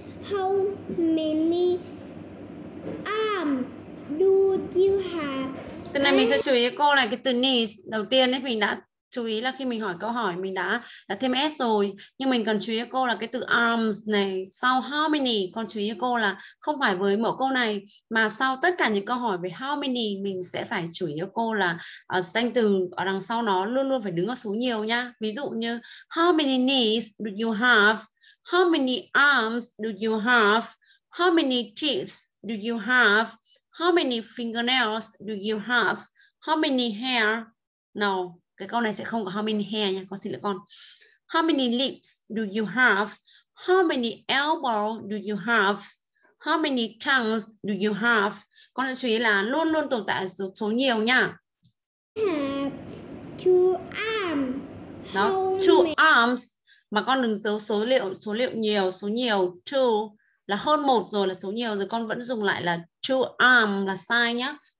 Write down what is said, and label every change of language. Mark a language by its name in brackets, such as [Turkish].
[English] How many arms do you have? [Vietnamese] Từ này mình sẽ chú ý cô này, cái từ knees đầu tiên ấy mình đã chú ý là khi mình hỏi câu hỏi mình đã thêm s rồi, nhưng mình cần chú ý cô là cái từ arms này sau how many. Con chú ý cô là không phải với mỗi câu này mà sau tất cả những câu hỏi về how many mình sẽ phải chú ý cô là danh từ ở đằng sau nó luôn luôn phải đứng ở số nhiều nhá. Ví dụ như [English] how many knees do you have, how many arms do you have, how many teeth do you have, how many fingernails do you have, how many hair. [Vietnamese] No, cái câu này sẽ không có how many hair nha, con xin lỗi con. [English] How many lips do you have? How many elbow do you have? How many tongues do you have? [Vietnamese] Con sẽ chú ý là luôn luôn tồn tại số nhiều nha. [English] Two arms. Đó, two arms. [Vietnamese] Mà con đừng giấu số liệu nhiều, số nhiều. Two là hơn một rồi là số nhiều rồi, con vẫn dùng lại là two arms là sai nhá.